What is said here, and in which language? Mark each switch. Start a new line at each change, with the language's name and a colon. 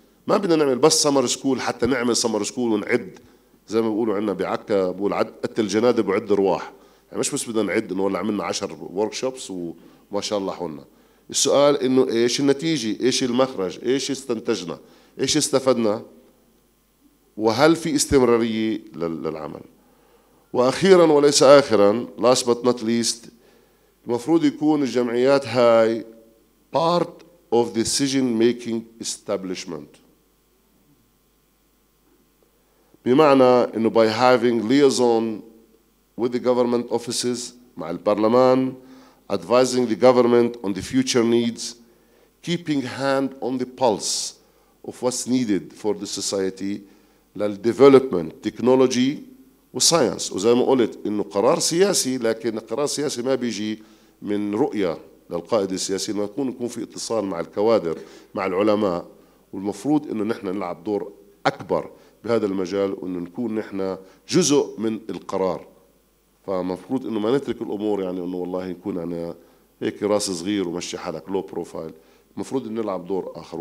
Arabic: ما بدنا نعمل بس سمر سكول حتى نعمل سمر سكول ونعد، زي ما بيقولوا عندنا بعكا بقول عد قتل الجنادب وعد ارواح. يعني مش بس بدنا نعد انه والله عملنا 10 ورك شوبس وما شاء الله حولنا. السؤال انه ايش النتيجه، ايش المخرج، ايش استنتجنا، ايش استفدنا، وهل في استمراريه للعمل. واخيرا وليس اخرا،
English: last but not least،
Arabic: المفروض يكون الجمعيات هاي
English: part of the decision making establishment،
Arabic: بمعنى انه
English: by having liaison with the government offices،
Arabic: مع البرلمان،
English: advising the government on the future needs, keeping hand on the pulse of what's needed for the society, the development, technology, and science.
Arabic: وزي ما قلت إنه قرار سياسي، لكن قرار سياسي ما بيجي من رؤية للقائد السياسي أن نكون في اتصال مع الكوادر مع العلماء، والمفروض أنه نحن نلعب دور أكبر بهذا المجال وأن نكون نحن جزء من القرار. فمفروض أنه ما نترك الأمور يعني أنه والله نكون أنا هيك راس صغير ومشي حالك لو بروفايل، مفروض أن نلعب دور آخر.